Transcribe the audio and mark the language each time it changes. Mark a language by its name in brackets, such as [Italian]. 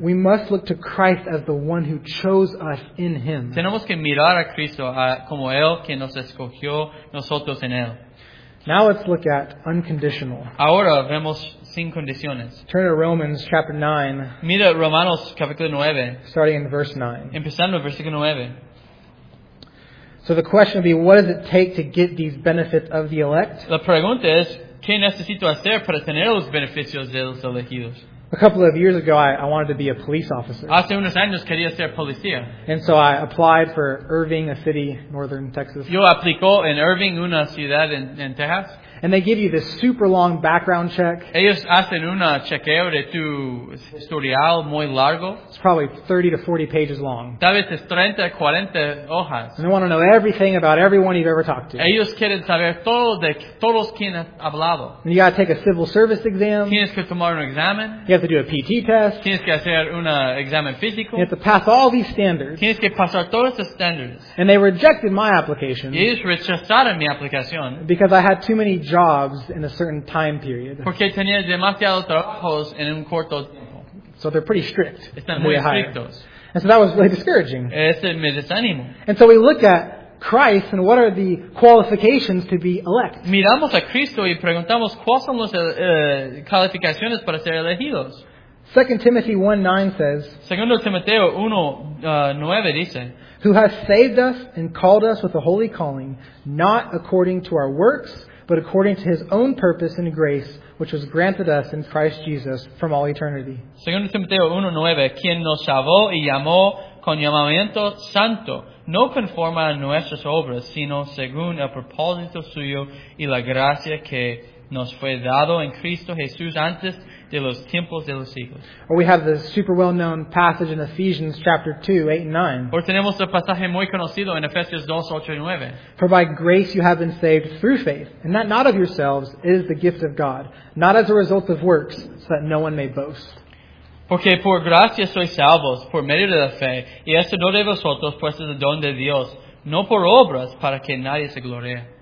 [English] We must look to Christ as the one who chose us in Him. [Spanish] Tenemos que mirar a Cristo como Él que nos escogió nosotros en Él. [English] Now let's look at unconditional. [Spanish] Ahora vemos sin condiciones. [English] Turn to Romans chapter 9. [Spanish] Mira Romanos capítulo 9. [English] Starting in verse 9. [Spanish] Empezando en versículo 9. [English] So the question would be, what does it take to get these benefits of the elect? [Spanish] La pregunta es, ¿qué necesito hacer para tener los beneficios de los elegidos? [English] A couple of years ago, I wanted to be a police officer. [Spanish] Hace unos años quería ser policía. [English] And so I applied for Irving, a city in northern Texas. [Spanish] Yo aplicó en Irving, una ciudad en Texas. [English] And they give you this super long background check. [Spanish] Ellos hacen un chequeo de tu historial muy largo. [English] It's probably 30 to 40 pages long. [Spanish] Tal vez es 30 a 40 hojas. [English] And they want to know everything about everyone you've ever talked to. [Spanish] Ellos quieren saber todo de todos quien has hablado. [English] And you got to take a civil service exam. [Spanish] Tienes que tomar un examen. [English] You have to do a PT test. [Spanish] Tienes que hacer un examen físico. [English] You have to pass all these standards. [Spanish] Tienes que pasar todos los standards. [English] And they rejected my application. [Spanish] Y ellos rechazaron mi aplicación. [English] Because I had too many jobs in a certain time period. [Spanish] Porque tenía demasiados trabajos en un corto tiempo. [English] So they're pretty strict. [Spanish] Están muy estrictos. [English] And so that was really discouraging. [Spanish] Ese me desanimó. [English] And so we look at Christ and what are the qualifications to be elect. [Spanish] Miramos a Cristo y preguntamos cuáles son las calificaciones para ser elegidos. [English] 2 Timothy 1:9 says, [Spanish] Segundo Timoteo 1:9 dice, [English] who has saved us and called us with a holy calling, not according to our works, but according to his own purpose and grace, which was granted us in Christ Jesus from all eternity. [Spanish] 2 Timoteo 1:9, quien nos salvó y llamó con llamamiento santo, no conforme a nuestras obras, sino según el propósito suyo y la gracia que nos fue dado en Cristo Jesús antes de los tiempos de los siglos. [English] Or we have the super well-known passage in Ephesians chapter 2, 8 and 9. [Spanish] Or tenemos el pasaje muy conocido en Efesios 2, 8 y 9. [English] For by grace you have been saved through faith, and that not of yourselves, it is the gift of God, not as a result of works, so that no one may boast. [Spanish] Porque por gracia sois salvos, por medio de la fe, y esto no de vosotros, pues es el don de Dios, no por obras, para que nadie se gloríe.